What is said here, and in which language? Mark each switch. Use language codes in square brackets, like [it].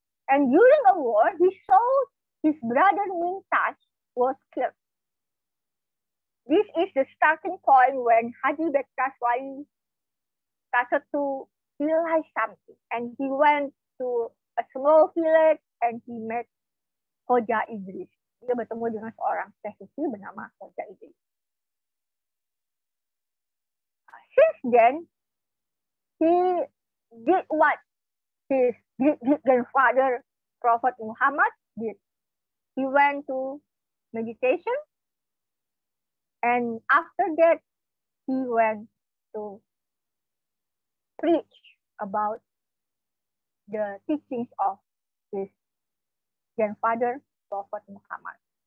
[en] And during a war, he saw his brother Mintaj was killed. This is the starting point when Haji Bekaswari started to realize something. And he went to a small village and he met Hoja Idris. [id] Dia bertemu dengan seorang sesepuh bernama Hoja Idris. [en] Since then, he did what his great grandfather Prophet Muhammad did. He went to meditation, and after that, he went to preach about the teachings of his grandfather, Prophet Muhammad.